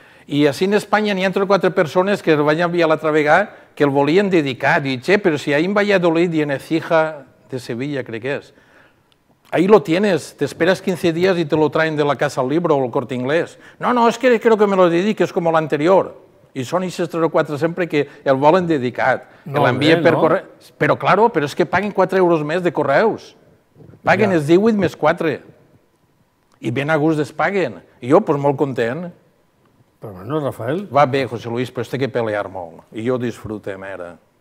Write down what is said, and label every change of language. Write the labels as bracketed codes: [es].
[ca] I així en Espanya n'hi ha 3 o 4 persones que el vaig enviar l'altra vegada que el volien dedicar. Dic, però si ahir en Valladolid i en Ecija de Sevilla, crec que és. [es] Ahí lo tienes, te esperas 15 días y te lo traen de la Casa del Libro o el Corte Inglés. No, es que creo que me lo dediques como l'anterior. [ca] I són aquestes 3 o 4 sempre que el volen dedicat. L'envien per correu. Però, claro, és que paguen 4 euros més de correus. Paguen els 18 més 4. I ben a gust es paguen. I jo, doncs, molt content. Però bueno, Rafael... Va bé, José Luis, però es té que pelear molt. I jo disfruto, mera.